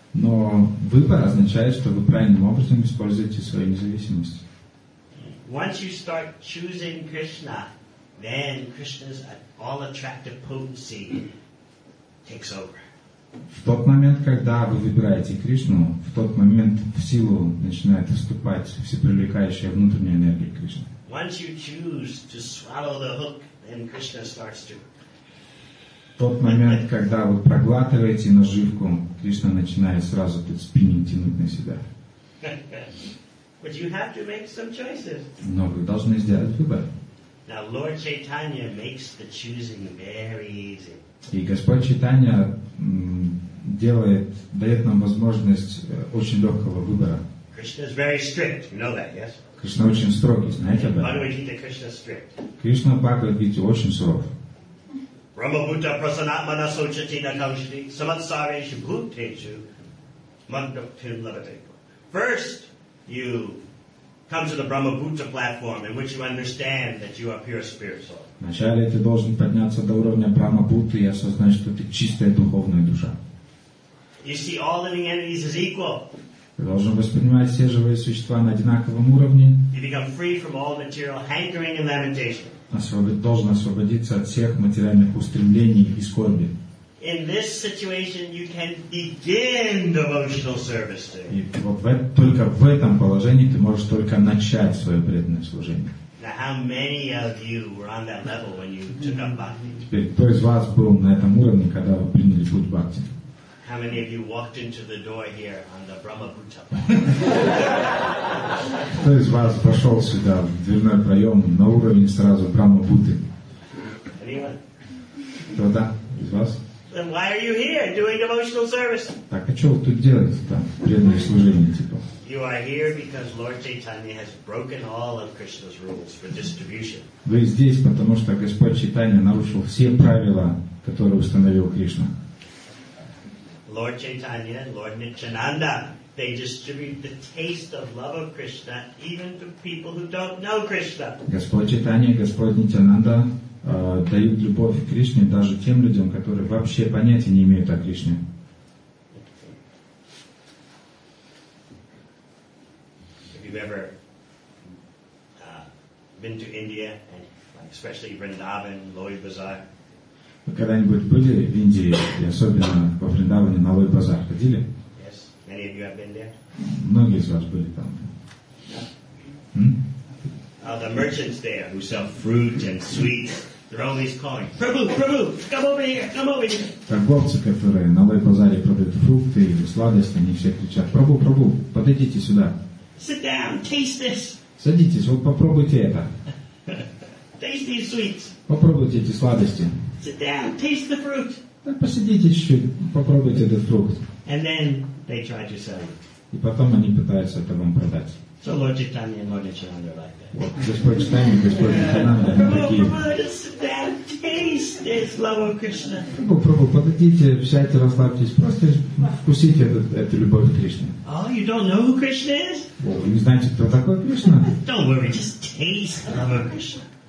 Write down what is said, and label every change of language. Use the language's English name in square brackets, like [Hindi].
[Russian] Но выбор означает, что вы правильным образом используете свою независимость. [English] Once you start choosing Krishna, then Krishna's all-attractive potency takes over. [Russian] В тот момент, когда вы выбираете Кришну, в тот момент в силу начинает вступать всепривлекающая внутренняя энергия Кришны. [English] Once you choose to swallow the hook, then Krishna starts to. [Russian] В тот момент, когда вы проглатываете наживку, Кришна начинает сразу этот спиннинг тянуть на себя. [English] But you have to make some choices. [Russian] Но вы должны сделать выбор. [English] Now Lord Chaitanya makes the choosing very easy. [Russian] И Господь Чайтанья делает, дает нам возможность очень легкого выбора. [English] Krishna is very strict. You know that, yes? [Russian] Кришна очень строгий, знаете об этом? Бхагавад-гита Кришна [English] strict. [Russian] Кришна Бхагавад-гита очень суров. [Sanskrit] Брахма-бхута прасанатмана сочати на каушти саматсареш бхутешу мандуктин лавате. [English] First, you come to the Brahma-bhuta platform in which you understand that you are pure spirit soul. [Russian] Вначале ты должен подняться до уровня Брахма-бхуты и осознать, что ты чистая духовная душа. [English] You see, all living entities is equal. [Russian] Ты должен воспринимать все живые существа на одинаковом уровне. [English] You become free from all material hankering and lamentation. [Russian] Должен освободиться от всех материальных устремлений и скорби. [English] In this situation, you can begin devotional service. [Russian] И вот только в этом положении ты можешь только начать свое преданное служение. [English] Now, how many of you were on that level when you took up bhakti? [Russian] Теперь, кто из вас был на этом уровне, когда вы приняли путь бхакти? [English] How many of you walked into the door here on the Brahma-bhuta? [Russian] Кто из вас вошел сюда в дверной проем на уровне сразу Брахма-бхуты? [English] Anyone? [Russian] Кто-то из вас? [English] Then why are you here doing devotional service? [Russian] Так а что вы тут делаете там, преданное служение типа? [English] You are here because Lord Chaitanya has broken all of Krishna's rules for distribution. [Russian] Вы здесь, потому что Господь Чайтанья нарушил все правила, которые установил Кришна. [English] Lord Chaitanya and Lord Nityananda, they distribute the taste of love of Krishna even to people who don't know Krishna. [Russian] Господь Чайтанья и Господь Нитянанда дают любовь к Кришне даже тем людям, которые вообще понятия не имеют о Кришне. [English] Have you ever been to India, and especially Vrindavan, Lohi Bazaar? [Russian] Вы когда-нибудь были в Индии, и особенно во Вриндаване на Лой Базар ходили? [English] Yes. Many of you have been there? [Russian] Многие из вас были там. [English] The merchants there who sell fruit and sweets, they're always calling, Prabhu, Prabhu, come over here, come over here. [Russian] Торговцы, которые на Лой Базаре продают фрукты или сладости, они все кричат, Прабу, Прабу, подойдите сюда. [English] Sit down, taste this. [Russian] Садитесь, вот попробуйте это. [English] Taste these sweets. [Russian] Попробуйте эти сладости. [English] Sit down, taste the fruit. [Russian] Да, посидите чуть-чуть, попробуйте этот фрукт. [English] And then they try to sell it. [Russian] И потом они пытаются это вам продать. [English] So Lord Chaitanya and Lord Nityananda are like that. [Russian] Господь Чайтанья, Господь Нитянанда, они такие. [English] Sit down, taste this love of Krishna. [Russian] Попробуй, подойдите, сядьте, расслабьтесь, просто вкусите эту любовь к Кришне. [English] Oh, you don't know who Krishna is? [Russian] Вы не знаете, кто такой Кришна? [English] Don't worry, just taste the love of Krishna.